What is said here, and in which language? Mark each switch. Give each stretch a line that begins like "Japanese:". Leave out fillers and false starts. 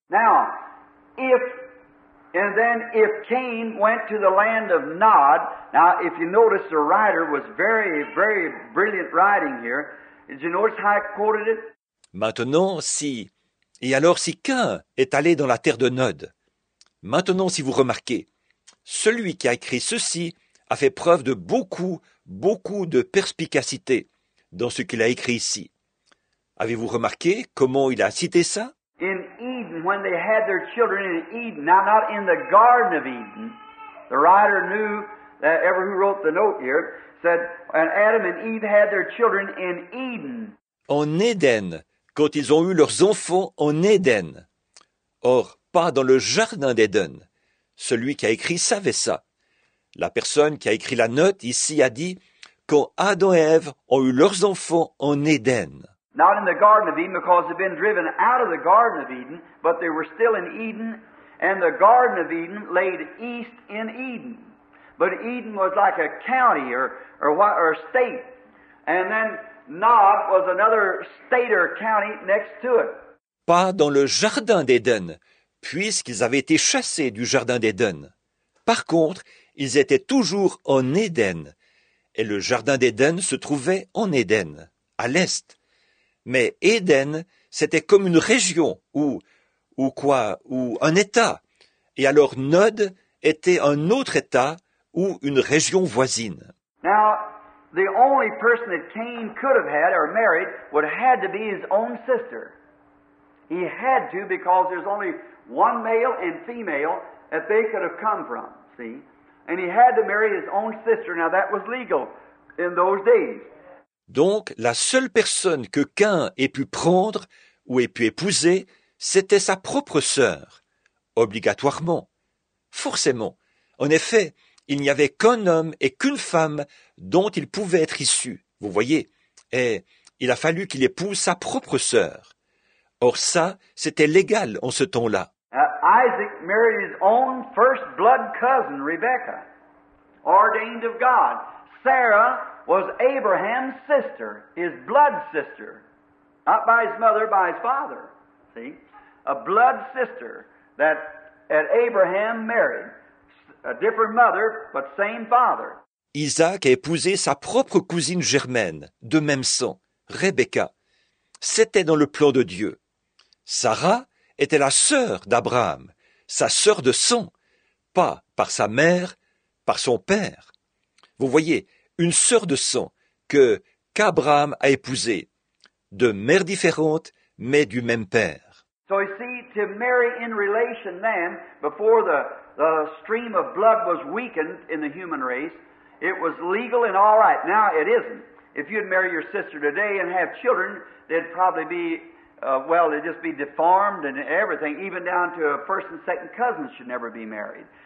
English: Now, if Cain went to the land of Nod, now if you notice the writer was very, very brilliant writing here, did you notice how I quoted it?
French: Maintenant, si... Et alors, si Caïn est allé dans la terre de Nod? Maintenant, si vous remarquez, celui qui a écrit ceci a fait preuve de beaucoup, beaucoup de perspicacité dans ce qu'il a écrit ici. Avez-vous remarqué comment il a cité ça?
English: In Eden, when they had their children in Eden, now not in the Garden of Eden, the writer knew that ever who wrote the note here said, and Adam and Eve had their children in Eden.
French: En Éden, quand ils ont eu leurs enfants en Éden. Or, pas dans le jardin d'Éden. Celui qui a écrit savait ça. La personne qui a écrit la note ici a dit quand Adam et Ève ont eu leurs enfants en Éden.
English: Not in the Garden of Eden, because they've been driven out of the Garden of Eden, but they were still in Eden, and the Garden of Eden laid east in Eden. But Eden was like a county or a state. And then Nod was another state or county next to it.
French: Pas dans le jardin d'Éden, puisqu'ils avaient été chassés du jardin d'Éden. Par contre, ils étaient toujours en Éden, et le jardin d'Éden se trouvait en Éden, à l'est. Mais Éden, c'était comme une région ou un état. Et alors Nod était un autre état ou une région voisine.
English: Now, the only person that Cain could have had or married would have had to be his own sister. He had to, because there's only one male and female that they could have come from, see? And he had to marry his own sister. Now, that was legal in those days.
French: Donc, la seule personne que Cain ait pu prendre ou ait pu épouser, c'était sa propre sœur, obligatoirement, forcément. En effet, il n'y avait qu'un homme et qu'une femme dont il pouvait être issu, vous voyez. Et il a fallu qu'il épouse sa propre sœur. Or ça, c'était légal en ce temps-là.
English: Isaac married his own first blood cousin, Rebecca, ordained of God. Sarah was Abraham's sister, his blood sister, not by his mother, by his father, see, a blood sister that Abraham married, a different mother, but same father.
French: Isaac a épousé sa propre cousine germaine, de même sang, Rebecca. C'était dans le plan de Dieu. Sarah était la sœur d'Abraham, sa sœur de sang, pas par sa mère, par son père. Vous voyez, une sœur de sang qu'Abraham a épousée, de mère différente, mais du même père.
English: So you see, to marry in relation then, before the stream of blood was weakened in the human race, it was legal and all right. Now it isn't. If you'd marry your sister today and have children, they'd probably be, well, they'd just be deformed and everything, even down to a first and second cousin should never be married.